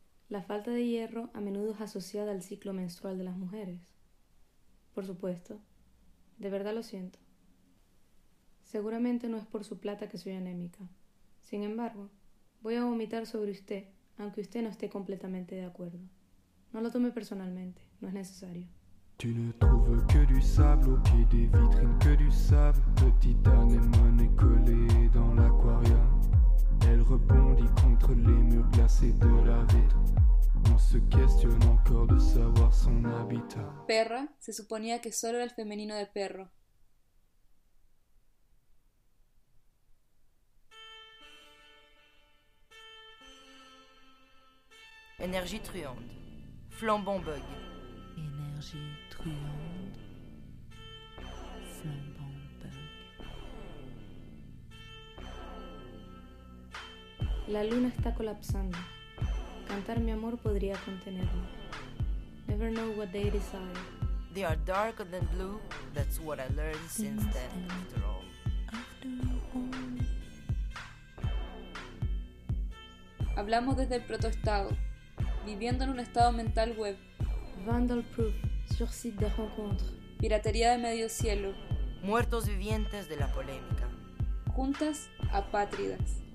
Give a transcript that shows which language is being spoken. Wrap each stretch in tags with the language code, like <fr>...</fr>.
<es>La falta de hierro a menudo es asociada al ciclo menstrual de las mujeres. Por supuesto. De verdad lo siento. Seguramente no es por su plata que soy anémica. Sin embargo, voy a vomitar sobre usted, aunque usted no esté completamente de acuerdo. No lo tome personalmente, no es necesario.</es> <fr>Tu ne trouves que du sable au pied des vitrines, que du sable. Petite anémone est collée dans l'aquarium. Elle rebondit contre les murs glacés de la vitre. On se questionne encore de savoir son habitat.</fr> <es>Perra, se suponía que solo era el femenino de perro.</es> <fr>Énergie truande. Flambant bug. Énergie truande, flambant bug.</fr> <es>La luna está colapsando. Cantar mi amor podría contenerlo.</es> <en>Never know what they desire. They are darker than blue. That's what I learned since then, after all.</en> <es>Hablamos desde el protoestado, viviendo en un estado mental web.</es> <en>Vandal proof.</en> <fr>Sur site de rencontres.</fr> <es>Piratería de medio cielo. Muertos vivientes de la polémica. Juntas, apátridas.</es>